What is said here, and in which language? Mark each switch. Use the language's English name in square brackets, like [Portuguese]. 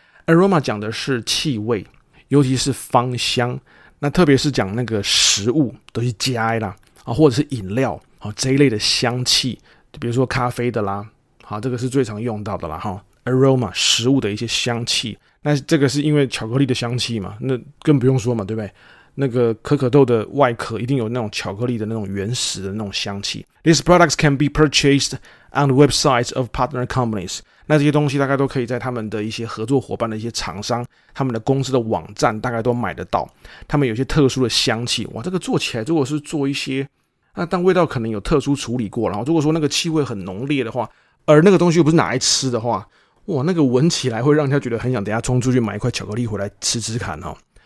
[Chinese] aroma 讲的是气味，尤其是芳香，那特别是讲那个食物都是加啦，啊，或者是饮料，好，这一类的香气。比如说咖啡的啦，好，这个是最常用到的啦齁。 aroma, 食物的一些香气。那这个是因为巧克力的香气嘛，那更不用说嘛，对不对，那个可可豆的外壳一定有那种巧克力的那种原始的那种香气。 [English] These products can be purchased on the websites of partner companies. [Chinese] 那这些东西大概都可以在他们的一些合作伙伴的一些厂商，他们的公司的网站大概都买得到。他们有些特殊的香气。哇，这个做起来如果是做一些那但味道可能有特殊处理过，然后如果说那个气味很浓烈的话，而那个东西又不是拿来吃的话，哇，那个闻起来会让人家觉得很想等一下冲出去买一块巧克力回来吃吃看哈。